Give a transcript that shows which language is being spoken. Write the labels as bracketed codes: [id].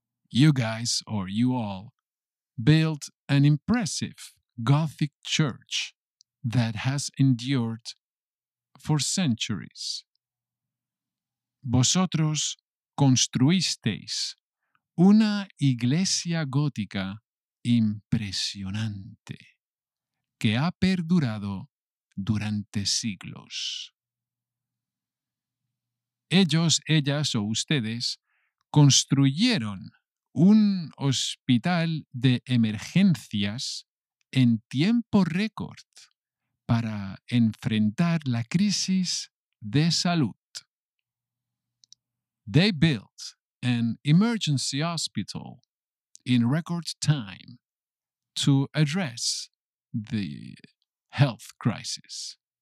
[en] You guys, or you all, built an impressive Gothic church that has endured for centuries. [es] Vosotros construisteis una iglesia gótica impresionante que ha perdurado durante siglos. Ellos, ellas o ustedes construyeron un hospital de emergencias en tiempo récord para enfrentar la crisis de salud. [en] They built an emergency hospital in record time to address the health crisis.